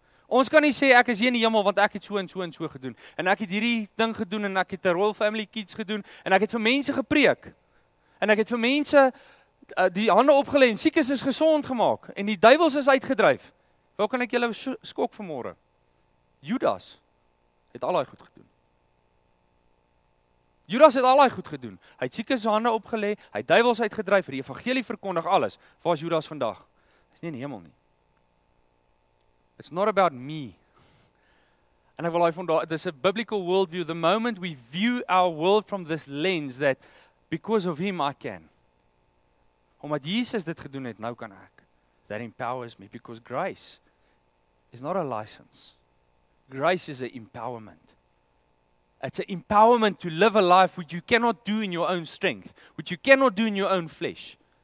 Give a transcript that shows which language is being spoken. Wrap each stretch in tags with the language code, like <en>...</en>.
<af>Ons kan nie sê ek is hier in die hemel want ek het so en so en so gedoen. En ek het hierdie ding gedoen en ek het 'n Royal Family Kids gedoen. En ek het vir mense gepreek. En ek het vir mense die hande opgelê en siekes is gesond gemaak. En die duivels is uitgedryf. Wou kan ek julle skok vanmôre? Judas het al daai goed gedoen. Judas het al daai goed gedoen. Hy het siekes hande opgelê, hy het duiwels uitgedryf, die evangelie verkondig alles. Waar is Judas vandag? Hy's nie in die hemel nie.</af> <en>It's not about me.</en> <af>En ek wil hy van daai, dis 'n biblical worldview.</af> <en>The moment we view our world from this lens that because of him I can.</en> <af>Omdat Jesus dit gedoen het, nou kan ek.</af> <en>That empowers me because grace is not a license. Grace is an empowerment. It's an empowerment to live a life which you cannot do in your own strength, which you cannot do in your own flesh.</en>